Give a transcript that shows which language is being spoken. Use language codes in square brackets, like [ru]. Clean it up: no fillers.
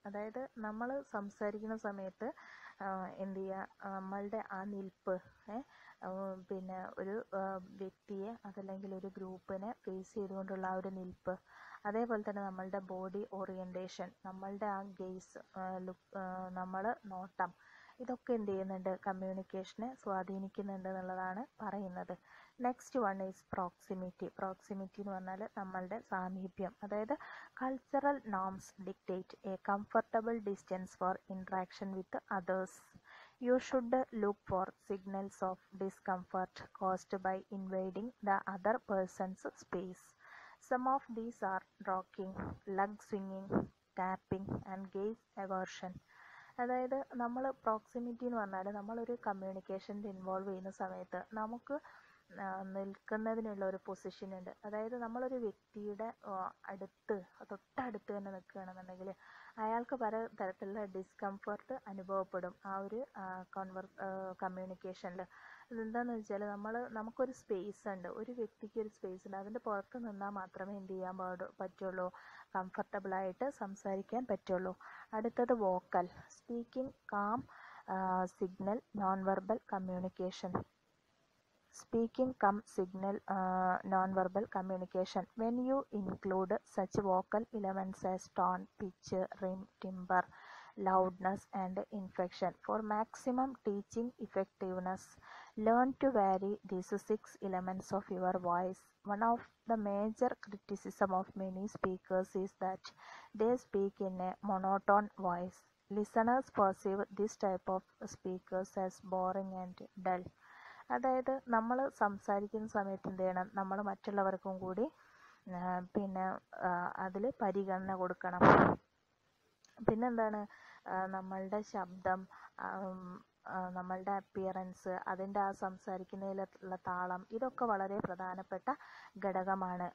[ml] അതായത് നമ്മൾ സംസാരിക്കുന്ന സമയത്ത് എന്ത് ചെയ്യുക, നമ്മളുടെ ആ നിൽപ്പ് പിന്നെ ഒരു വ്യക്തിയെ അതല്ലെങ്കിൽ ഒരു ഗ്രൂപ്പിനെ ഫേസ് ചെയ്തുകൊണ്ടുള്ള ആ ഒരു നിൽപ്പ്, അതേപോലെ തന്നെ നമ്മളുടെ ബോഡി ഓറിയൻറ്റേഷൻ, നമ്മളുടെ ആ ഗേസ് ലുക്ക്, നമ്മൾ നോട്ടം, ഇതൊക്കെ എന്ത് ചെയ്യുന്നുണ്ട്, കമ്മ്യൂണിക്കേഷനെ സ്വാധീനിക്കുന്നുണ്ട് എന്നുള്ളതാണ് പറയുന്നത്. [en] Next one is proximity. [ml] Proximity എന്ന് പറഞ്ഞാൽ നമ്മളുടെ സാമീപ്യം. [en] അതായത് cultural norms dictate a comfortable distance for interaction with others. You should look for signals of discomfort caused by invading the other person's space. Some of these are rocking, leg swinging, tapping, and gaze aversion. [ml] അതായത് നമ്മൾ proximity എന്ന് പറഞ്ഞാൽ നമ്മളൊരു കമ്മ്യൂണിക്കേഷനിൽ involve ചെയ്യുന്ന സമയത്ത് നമുക്ക് നിൽക്കുന്നതിനുള്ള ഒരു പൊസിഷനുണ്ട്. അതായത് നമ്മളൊരു വ്യക്തിയുടെ അടുത്ത് തൊട്ടടുത്ത് തന്നെ നിൽക്കുകയാണെന്നുണ്ടെങ്കിൽ അയാൾക്ക് പല തരത്തിലുള്ള ഡിസ്കംഫർട്ട് അനുഭവപ്പെടും ആ ഒരു കമ്മ്യൂണിക്കേഷനിൽ. ഇതെന്താന്ന് വെച്ചാൽ നമുക്കൊരു സ്പേസ് ഉണ്ട്, ഒരു വ്യക്തിക്ക് ഒരു സ്പേസ് ഉണ്ട്, അതിൻ്റെ പുറത്ത് നിന്നാൽ മാത്രമേ എന്ത് ചെയ്യാൻ പറ്റുള്ളൂ, കംഫർട്ടബിളായിട്ട് സംസാരിക്കാൻ പറ്റുള്ളൂ. [en] അടുത്തത് vocal speaking, cum signal, non verbal communication. Speaking cum signal non verbal communication. When you include such vocal elements as tone, pitch, rhythm, timbre, loudness and inflection for maximum teaching effectiveness, learn to vary these six elements of your voice. One of the major criticism of many speakers is that they speak in a monotone voice. Listeners perceive this type of speakers as boring and dull. [ml] അതായത് നമ്മൾ സംസാരിക്കുന്ന സമയത്ത് എന്ത് ചെയ്യണം, നമ്മൾ മറ്റുള്ളവർക്കും കൂടി പിന്നെ അതിൽ പരിഗണന കൊടുക്കണം. പിന്നെന്താണ്, നമ്മളുടെ ശബ്ദം, നമ്മളുടെ അപ്പിയറൻസ്, അതിൻ്റെ ആ സംസാരിക്കുന്നതിലുള്ള താളം, ഇതൊക്കെ വളരെ പ്രധാനപ്പെട്ട ഘടകമാണ്.